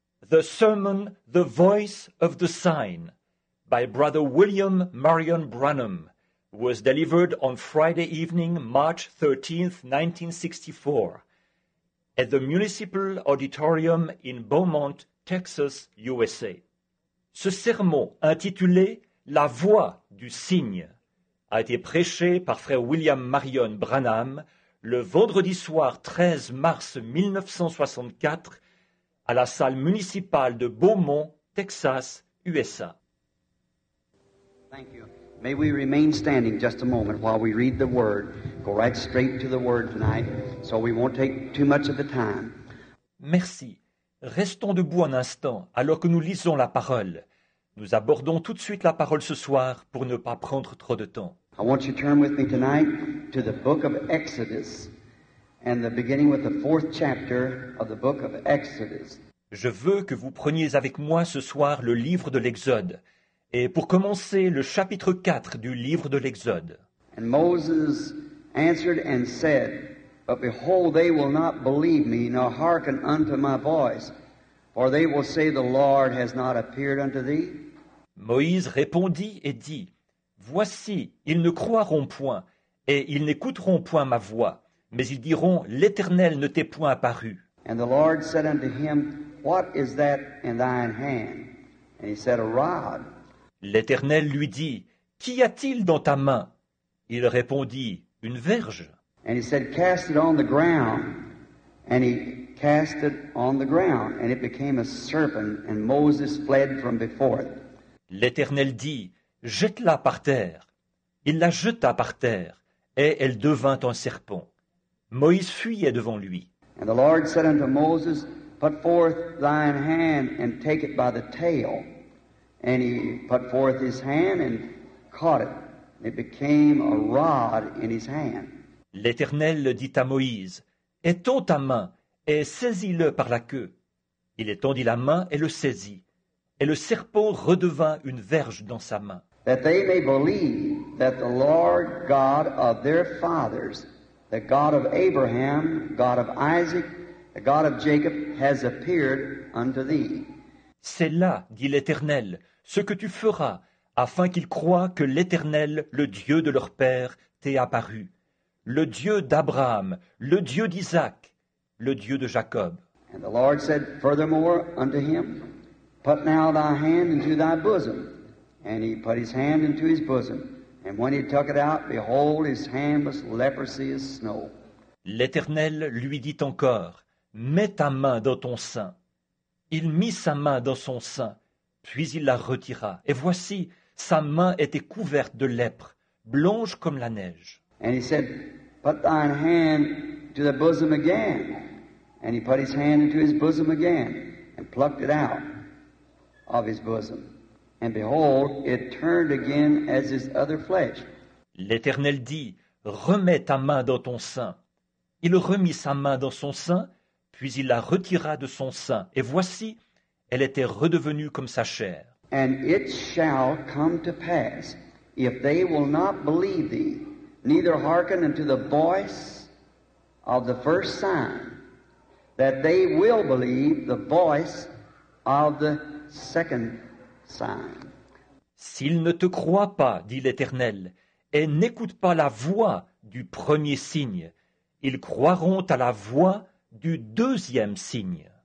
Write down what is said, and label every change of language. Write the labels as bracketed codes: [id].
[en] The Sermon, The Voice of the Sign, by Brother William Marion Branham, was delivered on Friday evening, March 13, 1964, at the Municipal Auditorium in Beaumont, Texas, USA. [fr] Ce sermon, intitulé « La voix du signe », a été prêché par Frère William Marion Branham le vendredi soir 13 mars 1964 à la salle municipale de Beaumont, Texas, USA. [en] Thank you. May we remain standing just a moment while we read the word. Go right straight to the word tonight, so we won't take too much of the time. [fr] Merci. Restons debout un instant alors que nous lisons la parole. Nous abordons tout de suite la parole ce soir pour ne pas prendre trop de temps. [en] I want you to turn with me tonight to the book of Exodus and the beginning with the fourth chapter of the book of Exodus. [fr] Je veux que vous preniez avec moi ce soir le livre de l'Exode et pour commencer le chapitre 4 du livre de l'Exode. [en] And Moses answered and said, But behold, they will not believe me, nor hearken unto my voice. Or they will say, The Lord has not appeared unto thee. [fr] Moïse répondit et dit, Voici, ils ne croiront point, et ils n'écouteront point ma voix, mais ils diront, L'Éternel ne t'est point apparu. [en] And the Lord said unto him, What is that in thine hand? And he said, A rod. [fr] L'Éternel lui dit, Qu'y a-t-il dans ta main? Il répondit, Une verge. [en] And he said, Cast it on the ground. And he cast it on the ground, and it became a serpent, and Moses fled from before it. [fr] L'Éternel dit, Jette-la par terre. Il la jeta par terre, et elle devint un serpent. Moïse fuyait devant lui. [en] And the Lord said unto Moses, Put forth thine hand, and take it by the tail. And he put forth his hand, and caught it. It became a rod in his hand. [fr] L'Éternel dit à Moïse, Étends ta main et saisis-le par la queue. Il étendit la main et le saisit. Et le serpent redevint une verge dans sa main. [en] That they may believe that the Lord God of their fathers, the God of Abraham, God of Isaac, the God of Jacob, has appeared unto thee. [fr] C'est là, dit l'Éternel, ce que tu feras, afin qu'ils croient que l'Éternel, le Dieu de leur père, t'est apparu. Le Dieu d'Abraham, le Dieu d'Isaac, le Dieu de Jacob. [en] And the Lord said furthermore unto him, Put now thy hand into thy bosom. And he put his hand into his bosom. And when he took it out, behold, his hand was leprosy as snow. [fr] L'Éternel lui dit encore, Mets ta main dans ton sein. Il mit sa main dans son sein, puis il la retira. Et voici, sa main était couverte de lèpre, blanche comme la neige. [en] And he said, Put thine hand to the bosom again. And he put his hand into his bosom again and plucked it out of his bosom. And behold, it turned again as his other flesh. [fr] L'Éternel dit, Remets ta main dans ton sein. Il remit sa main dans son sein, puis il la retira de son sein. Et voici, elle était redevenue comme sa chair. [en] And it shall come to pass, if they will not believe thee, neither hearken unto the voice of the first sign, that they will believe the voice of the second sign. [fr] S'ils ne te croient pas, dit l'Éternel, et n'écoutent pas la voix du premier signe, ils croiront à la voix du deuxième signe.